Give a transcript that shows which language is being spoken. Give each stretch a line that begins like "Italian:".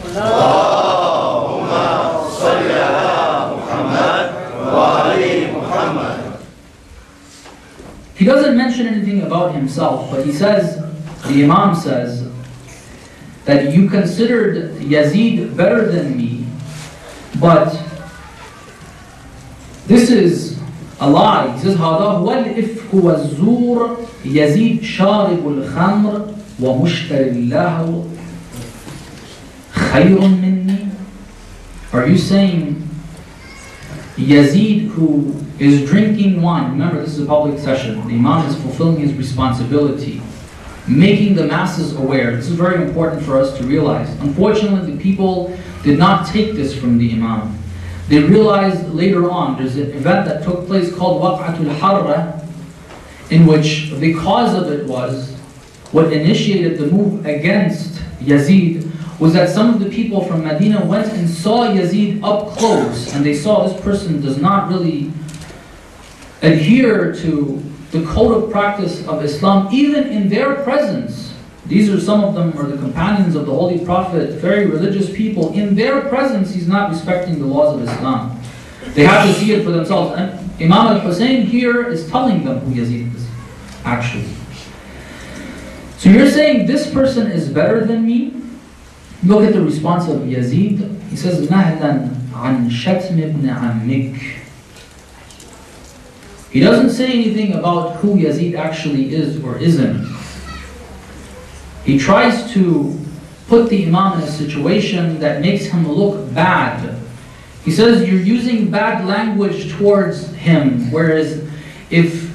Arabic: Allahumma salli ala Muhammad wa ali Muhammad.
English: He doesn't mention anything about himself, but he says, the Imam says, that you considered Yazid better than me, but this is a lie. He says,
Arabic: هَذَا هُوَ الْإِفْكُ وَالزُّورَ يَزِيدْ شَارِبُ الْخَمْرِ وَمُشْتَرِ اللَّهُ خَيْرٌ مِنِّي.
English: Are you saying Yazid, who is drinking wine, remember this is a public session, the Imam is fulfilling his responsibility, making the masses aware. This is very important for us to realize. Unfortunately, the people did not take this from the Imam. They realized later on, there's an event that took place called Waq'atul Harra, in which the cause of it was, what initiated the move against Yazid, was that some of the people from Medina went and saw Yazid up close, and they saw this person does not really adhere to the code of practice of Islam, even in their presence. These are some of them are the companions of the Holy Prophet, very religious people. In their presence, he's not respecting the laws of Islam. They have to see it for themselves. And Imam al-Hussein here is telling them who Yazid is, actually. So you're saying this person is better than me? Look at the response of Yazid. He says,
Arabic: نَهْلًا عَنْ شَتْمِ ابْنِ عَمِّكَ.
English: He doesn't say anything about who Yazid actually is or isn't. He tries to put the Imam in a situation that makes him look bad. He says, you're using bad language towards him. Whereas if